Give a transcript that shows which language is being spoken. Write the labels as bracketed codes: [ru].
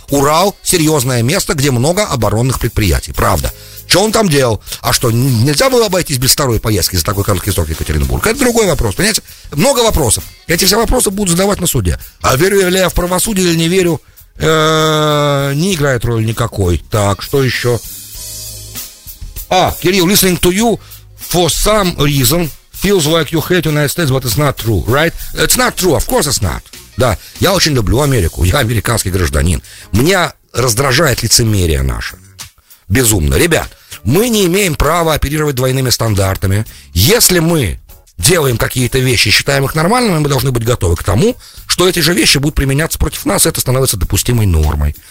[ru] Урал — серьезное место, где много оборонных предприятий. Правда. Что он там делал? А что, нельзя было обойтись без второй поездки за такой короткий срок в Екатеринбург? Это другой вопрос, понимаете? Много вопросов. Эти все вопросы будут задавать на суде. А верю ли я в правосудие или не верю, не играет роли никакой. Так, что еще? [en] А, Кирилл, listening to you for some reason feels like you hate United States, but it's not true, right? It's not true, of course it's not. [ru] Да, я очень люблю Америку, я американский гражданин. Меня раздражает лицемерие наше. Безумно. Ребят, мы не имеем права оперировать двойными стандартами. Если мы делаем какие-то вещи, считаем их нормальными, мы должны быть готовы к тому, что эти же вещи будут применяться против нас, и это становится допустимой нормой.